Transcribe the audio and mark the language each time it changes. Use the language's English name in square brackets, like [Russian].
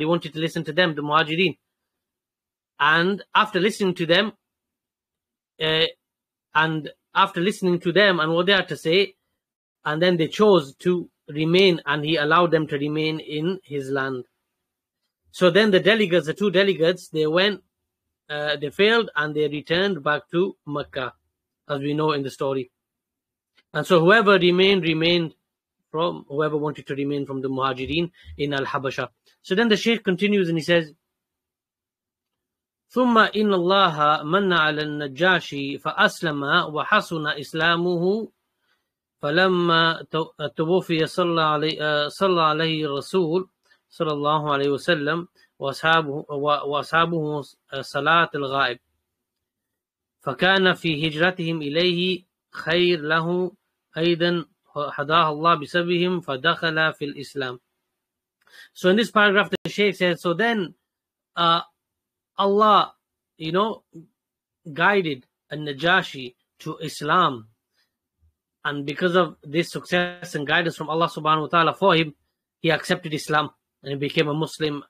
[English] He wanted to listen to them, the Muhajirin. And after listening to them, and what they had to say, and then they chose to remain, and he allowed them to remain in his land. So then the two delegates, they went, they failed, and they returned back to Mecca, as we know in the story. And so whoever remained from, whoever wanted to remain from the Muhajirin in Al-Habasha. So then the Shaykh continues and he says, [Arabic] ثُمَّ إِنَّ اللَّهَ مَنَّ عَلَى النَّجَّاشِ فَأَسْلَمَ وَحَسُنَ إِسْلَامُهُ فَلَمَّا تُوُفِيَ صَلَّى عَلَيْهِ الرَّسُولِ صَلَى اللَّهُ عَلَيْهِ وَسَلَّمْ وَأَصْحَابُهُ صَلَاةِ الْغَائِبِ فَكَانَ فِي هِجْرَتِهِمْ إِلَيْهِ خَيْرْ لَهُ أَيْضًا حَدَاهَ اللَّهُ بِسَبِهِمْ فَدَخَلَ فِي الْإِسْلَامِ. [English] So in this paragraph, the Shaykh says, so then Allah, guided Al-Najashi to Islam, And because of this success and guidance from Allah subhanahu wa ta'ala for him, he accepted Islam and he became a Muslim.